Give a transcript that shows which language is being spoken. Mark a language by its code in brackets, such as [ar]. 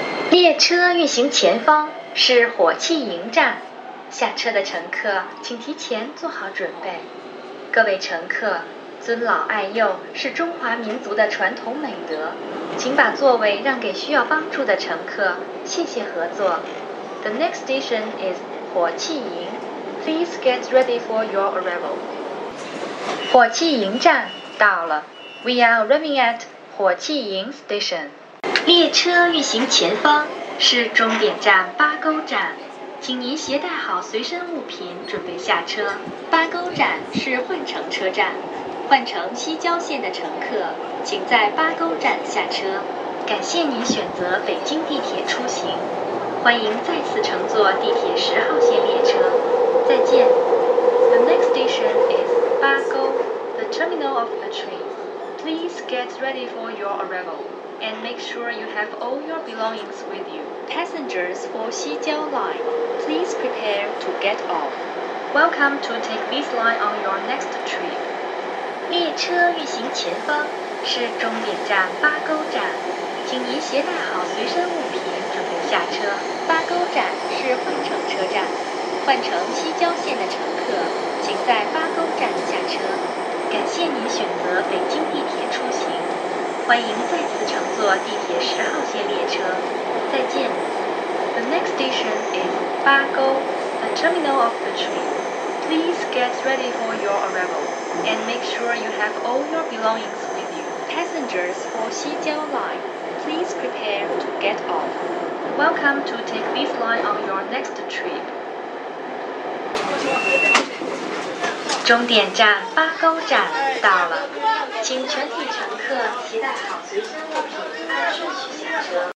[zh] 列车运行前方是火器营站，下车的乘客请提前做好准备。各位乘客，尊老爱幼是中华民族的传统美德，请把座位让给需要帮助的乘客，谢谢合作。 [en] The next station is 火器营。 Please get ready for your arrival. [zh] 火器营站到了。 [en] We are arriving at 火器营 station. [zh] 列车运行前方是终点站八沟站，请您携带好随身物品，准备下车。八沟站是换乘车站，换乘西郊线的乘客，请在八沟站下车。感谢您选择北京地铁出行，欢迎再次乘坐地铁十号线列车。再见。 [en] The next station is 八沟 the terminal of the train. Please get ready for your arrival. And make sure you have all your belongings with you. Passengers for Xijiao Line, please prepare to get off. Welcome to take this line on your next trip. [zh] 列车运行前方是终点站八沟站，请您携带好随身物品，准备下车。八沟站是换乘车站，换乘西郊线的乘客，请在八沟站下车。感谢您选择北京地铁出行。欢迎再次乘坐地铁十号线列车，再见。 [en] The next station is 八沟 the terminal of the train. Please get ready for your arrival and make sure you have all your belongings with you. Passengers for Xijiao Line, please prepare to get off. Welcome to take this line on your next trip. [zh] 终点站八沟站到了。请全体乘客携带好随身物品，按顺序下车。